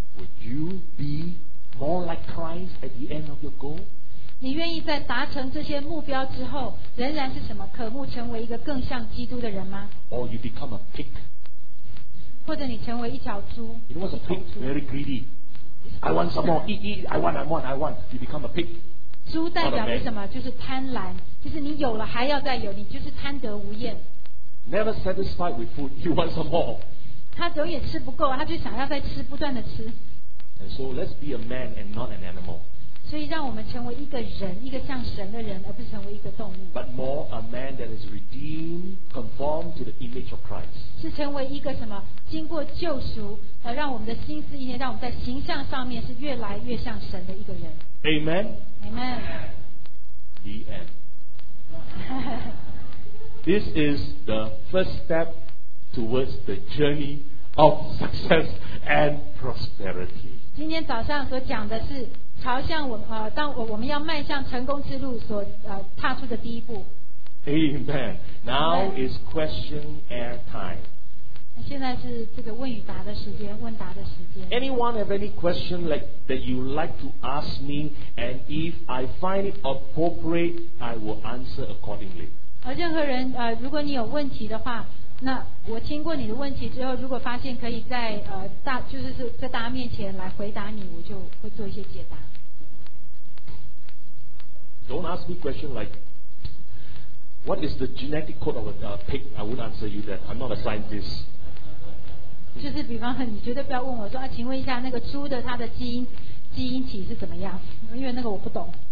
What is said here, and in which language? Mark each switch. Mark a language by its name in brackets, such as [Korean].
[English] Would you be more like Christ at the end of your goal? [Chinese] 你愿意在达成这些目标之后，仍然是什么渴慕成为一个更像基督的人吗 [English] ？Or you become a pig? [Chinese] 或者你成为一条猪 [English] ？You know what's a pig? Very greedy. I want some more. Eat, eat. I want. You become a pig. [Chinese] 猪代表是什么？就是贪婪，就是你有了还要再有，你就是贪得无厌。 [English] Never satisfied with food, you want some more. [Chinese] 他永远吃不够，他就想要再吃，不断的吃。 [English] And so let's be a man and not an animal. [Chinese] 所以让我们成为一个人，一个像神的人，而不是成为一个动物。 [English] But more a man that is redeemed, conformed to the image of Christ. [Chinese] 是成为一个什么？经过救赎，让我们的心思意念，让我们在形象上面是越来越像神的一个人。 [English] Amen. Amen. The end. This is the first step towards the journey of success and prosperity. [Chinese] 今天早上所讲的是朝向我们当我们要迈向成功之路所踏出的第一步。 [English] Amen. Now is question air time. [Chinese] 现在是这个问与答的时间，问答的时间。 [English] Anyone have any question like that you like to ask me, and if I find it appropriate, I will answer accordingly. [Chinese] 任何人如果你有问题的话，那我听过你的问题之后，如果发现可以在大就是在大家面前来回答你，我就会做一些解答。 [English] Don't ask me question like what is the genetic code of a pig. I won't answer you that. I'm not a scientist. [Chinese] 就是比方说，你绝对不要问我说请问一下那个猪的它的基因体是怎么样，因为那个我不懂。